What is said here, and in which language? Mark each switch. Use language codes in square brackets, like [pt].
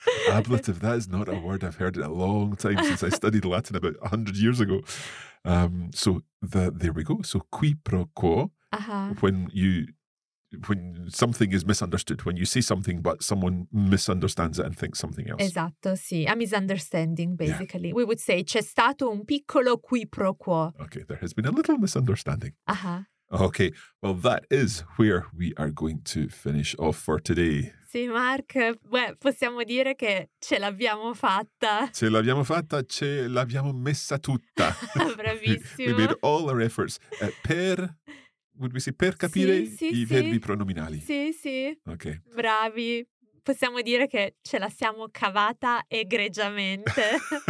[en] Ablative, that is not a word I've heard in a long time since I studied Latin about 100 years ago. There we go. So qui pro quo. Uh-huh. When something is misunderstood, when you say something but someone misunderstands it and thinks something else. [it] Esatto, sì. [en] A misunderstanding, basically. Yeah. We would say, [it] c'è stato un piccolo qui pro quo. [en] Okay, there has been a little misunderstanding. Uh-huh. Okay, well, that is where we are going to finish off for today. [it] Sì, Mark, possiamo dire che ce l'abbiamo fatta. Ce l'abbiamo fatta, ce l'abbiamo messa tutta. Bravissimo. [en] We made all our efforts per... Would we say [it] per capire sì, i verbi pronominali? Sì, sì. Ok. Bravi. Possiamo dire che ce la siamo cavata egregiamente.